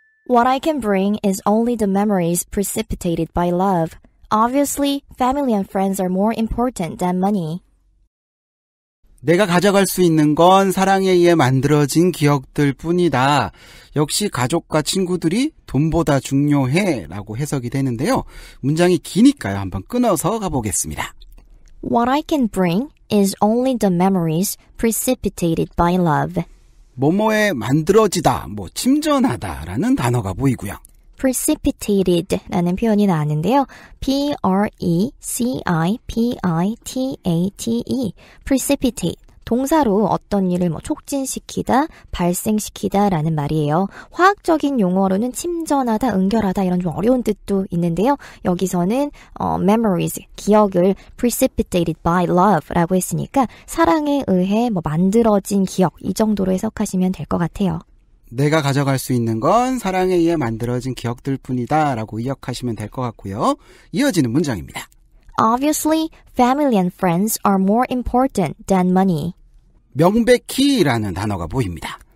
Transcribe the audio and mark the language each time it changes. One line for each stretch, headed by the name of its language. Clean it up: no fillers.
English: What I can bring is only the memories precipitated by love. Obviously, family and friends are more important than money.
Korean: 내가 가져갈 수 있는 건 사랑에 의해 만들어진 기억들 뿐이다. 역시 가족과 친구들이 돈보다 중요해 라고 해석이 되는데요. 문장이 기니까요. 한번 끊어서 가보겠습니다.
English: What I can bring is only the memories precipitated by love.
Korean: 뭐뭐에 만들어지다, 뭐 침전하다 라는 단어가 보이고요. precipitated 라는 표현이 나왔는데요. precipitate precipitate 동사로 어떤 일을 뭐 촉진시키다, 발생시키다 라는 말이에요. 화학적인 용어로는 침전하다, 응결하다 이런 좀 어려운 뜻도 있는데요. 여기서는 memories, 기억을
English: precipitated by love
Korean: 라고 했으니까 사랑에 의해 뭐 만들어진 기억, 이 정도로 해석하시면 될 것 같아요. 내가 가져갈 수 있는 건 사랑에 의해 만들어진 기억들 뿐이다 라고 이해하시면 될 것 같고요. 이어지는 문장입니다.
English: Obviously, family and friends are more important than money.
Korean: 명백히 라는 단어가 보입니다.